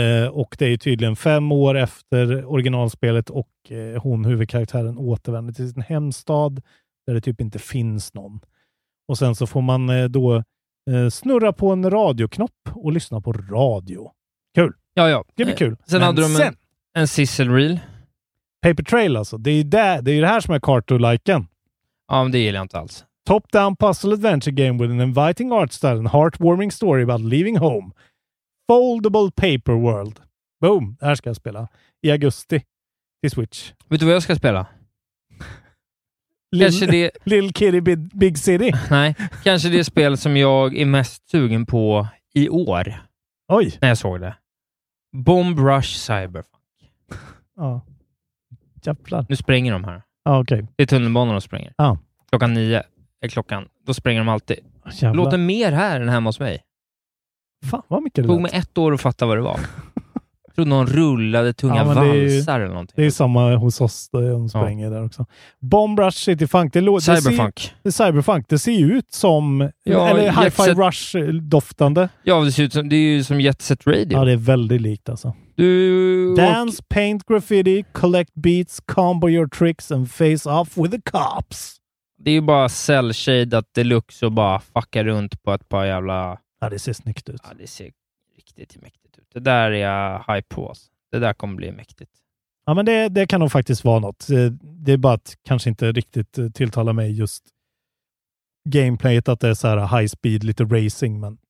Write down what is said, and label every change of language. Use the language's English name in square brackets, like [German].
[Swedish] Och det är ju tydligen 5 år efter originalspelet och hon, huvudkaraktären, återvänder till sin hemstad där det typ inte finns någon. Och sen så får man då snurra på en radioknopp och lyssna på radio. Kul! Ja, ja. Det blir kul. Sen hade de en sizzle reel. Paper trail alltså. Det är det här som är Carto-liken. Ja, men det gillar jag inte alls. [English] Top-down puzzle adventure game with an inviting art style and heartwarming story about leaving home. Foldable paper world. [Swedish] Boom! Det här ska jag spela. I augusti. I Switch. Vet du vad jag ska spela? Little Kitty Big City? Nej, kanske det spel som jag är mest sugen på i år. Oj! När jag såg det. Bomb Rush Cyberpunk. Ja. Jävlar. Nu spränger de här. Ja, okej. [English] Okay. [Swedish] Det är tunnelbanan de spränger. Ja. Klockan 9 är klockan. Då spränger de alltid. Jävlar. Låter mer här än hemma hos mig. Fan, vad mycket det tog mig 1 år att fatta vad det var. Jag trodde någon rullade tunga, ja, valsar ju, eller någonting. Det är samma hos oss. De spränger, ja, där också. Bomb Rush City Funk. Cyberpunk. Cyberpunk. Det ser ju ut som... Ja, eller Hi-Fi Rush doftande. Ja, det ser ut som... Det är ju som Jet Set Radio. Ja, det är väldigt likt alltså. Du, [English] dance, paint graffiti, collect beats, combo your tricks and face off with the cops. [Swedish] Det är ju bara cel-shaded deluxe och bara fucka runt på ett par jävla... Ja, det ser snyggt ut. Ja, det ser riktigt mäktigt ut. Det där är jag hype på. Det där kommer bli mäktigt. Ja, men det kan nog faktiskt vara något. Det är bara att kanske inte riktigt tilltala mig just gameplayet, att det är så här high speed, lite racing.